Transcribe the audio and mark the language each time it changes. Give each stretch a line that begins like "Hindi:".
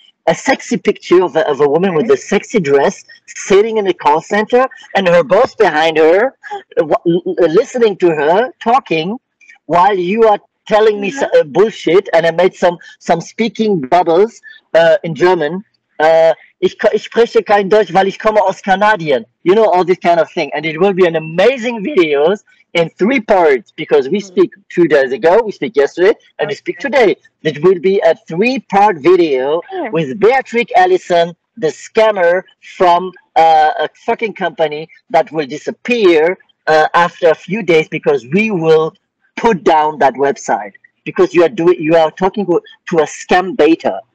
English: A sexy picture of a woman with a sexy dress sitting in a call center and her boss behind her, listening to her talking, while you are telling me bullshit, and I made some speaking bubbles in German.
German: Ich spreche kein Deutsch, weil ich komme aus Kanadien.
English: You know, all this kind of thing. And it will be an amazing video in three parts, because we speak 2 days ago, we speak yesterday, and we speak today. It will be a three-part video with Beatrix Allison, the scammer from a fucking company that will disappear after a few days, because we will put down that website because you are talking to a scam beta.